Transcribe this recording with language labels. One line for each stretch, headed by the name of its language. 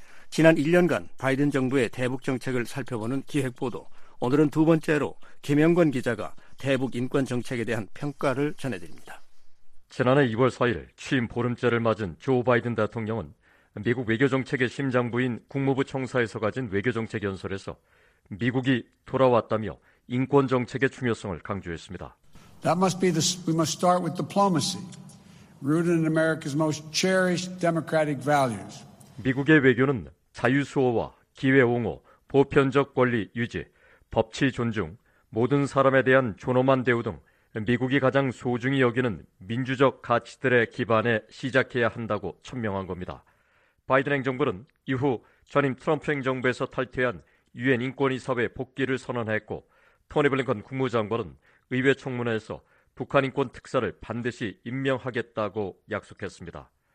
Korean: 지난 1년간 바이든 정부의 대북 정책을 살펴보는 기획보도, 오늘은 두 번째로 김영권 기자가 대북 인권 정책에 대한 평가를 전해드립니다. 지난해 2월 4일 취임 보름째를 맞은 조 바이든 대통령은 미국 외교정책의 심장부인 국무부 청사에서 가진 외교정책 연설에서 미국이 돌아왔다며 인권 정책의 중요성을 강조했습니다.
English: That must be the we must start with diplomacy, rooted in America's most cherished democratic values.
Korean: 미국의 외교는 자유수호와 기회옹호, 보편적 권리 유지, 법치 존중, 모든 사람에 대한 존엄한 대우 등 미국이 가장 소중히 여기는 민주적 가치들의 기반에 시작해야 한다고 천명한 겁니다. 바이든 행정부는 이후 전임 트럼프 행정부에서 탈퇴한 유엔 인권이사회 복귀를 선언했고, 토니 블링컨 국무장관은 의회 청문회에서 북한 인권 특사를 반드시 임명하겠다고 약속했습니다.